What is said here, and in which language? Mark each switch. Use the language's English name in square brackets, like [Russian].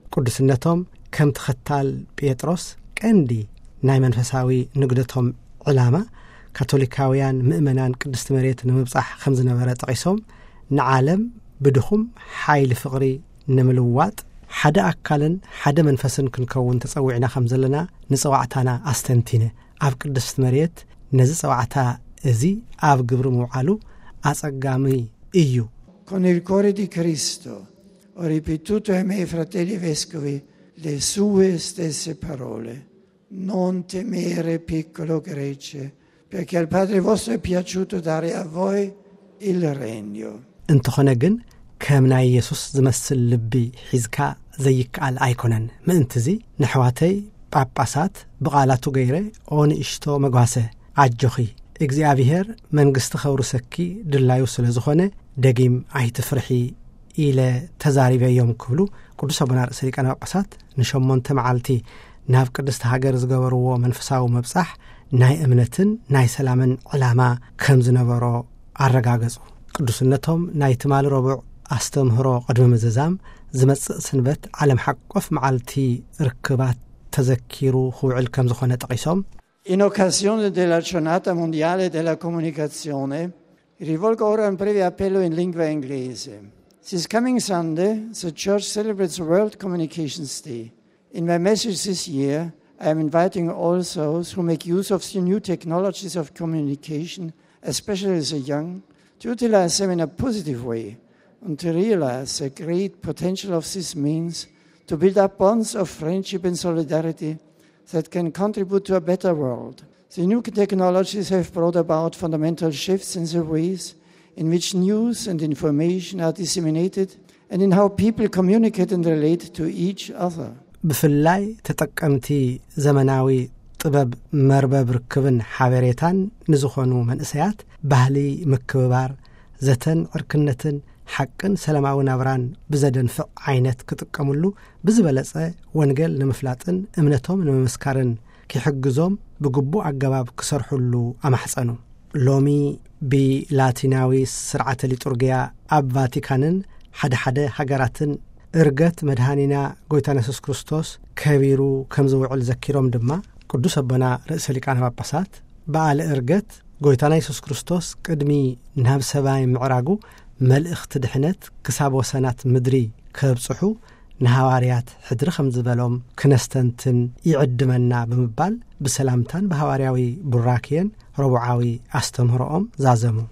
[Tigrinya] ቅዱስነቶም ከም ተኸታል ጴጥሮስ ቀንዲ ናይ መንፈሳዊ ንግደቶም ዕላማ ካቶሊካውያን ምእመናን ቅድስት መሬት ንምብጻሕ ከም ዝነበረ ጠቂሶም ንዓለም ብድኹም ኃይል ፍቕሪ ንምልዋጥ ሓደ ኣካልን ሓደ መንፈስን ክንከውን ተጸዊዕና ከም ዘለና ንጸዋዕታና ኣስተንቲነ ኣብ ቅድስት መሬት ነዚ ጸዋዕታ እዚ ኣብ ግብሪ ምውዓሉ ኣጸጋሚ እዩ። [Italian] Con il cuore di Cristo ho ripetuto ai miei fratelli vescovi le sue stesse parole. Non temere, piccolo Grece, perché al Padre vostro è piaciuto dare a voi il regno. [Tigrinya] እንተኾነ ግን ከምና ኢየሱስ ዝመስል ልቢ ሒዝካ ዘይከኣል ኣይኮነን ምእንቲዚ ንሕዋተይ ጳጳሳት ብቓላቱ ገይረ ኦንእሽቶ መጓሰ ዓጆኺ እግዚኣብሔር መንግስቲ ኸብሩሰኪ ድላዩ ስለ ዝኾነ ደጊም ኣይትፍርሒ ኢለ ተዛሪበዮም ክብሉ ቅዱስ ኣቡነ ርእሰ ሊቃነ ጳጳሳት ንሸሞንተ መዓልቲ ናብ ቅድስቲ ሃገር ዝገበርዎ መንፈሳዊ ምብጻሕ ናይ እምነትን ናይ ሰላምን ዕላማ ከም ዝነበሮ ኣረጋገጹ። ቅዱስነቶም ናይ ትማል ረቡዕ ኣስተምህሮ ቅድሚ ምዝዛም ዝመጽእ ስንበት ዓለም ሓቆፍ መዓልቲ ርክባት ተዘኪሩ ክውዕል ከም ዝኾነ ጠቒሶም [Italian] In occasione della giornata mondiale della comunicazione, rivolgo ora un breve appello in lingua inglese. [English] This coming Sunday, the Church celebrates World Communications Day. In my message this year, I am inviting all those who make use of the new technologies of communication, especially the young, to utilize them in a positive way and to realize the great potential of this means to build up bonds of friendship and solidarity that can contribute to a better world. The new technologies have brought about fundamental shifts in the ways in which news and information are disseminated and in how people communicate and relate to each other. [Tigrinya] ብፍላይ ተጠቀምቲ ዘመናዊ ጥበብ መርበብ ርክብን ሓበሬታን ንዝኾኑ መንእሰያት ባህሊ ምክብባር ዘተን ዕርክነትን ሓቅን ሰላማዊ ናብራን ብዘደንፍዕ ዓይነት ክጥቀምሉ ብዝበለጸ ወንጌል ንምፍላጥን እምነቶም ንምምስካርን ክሕግዞም ብግቡእ ኣገባብ ክሰርሕሉ ኣማሕፀኑ። ሎሚ ብላቲናዊ ስርዓተ ሊጡርግያ ኣብ ቫቲካንን ሓደ ሓደ ሃገራትን እርገት መድሃኒና ጎይታ ኢየሱስ ክርስቶስ ከቢሩ ከም ዝውዕል ዘኪሮም ድማ ቅዱስ ኣቦና ርእሰ ሊቃነ ጳጳሳት በዓለ እርገት ጎይታ ኢየሱስ ክርስቶስ ቅድሚ ናብ ሰማይ ምዕራጉ መልእኽቲ ድሕነት ክሳብ ወሰናት ምድሪ ከብፅሑ نهواريات حدر خمز بلوم كنستنتن يعدمنا بمبال بسلامتان بهواريوي براكين ربعاوي أستمرؤم زازمو.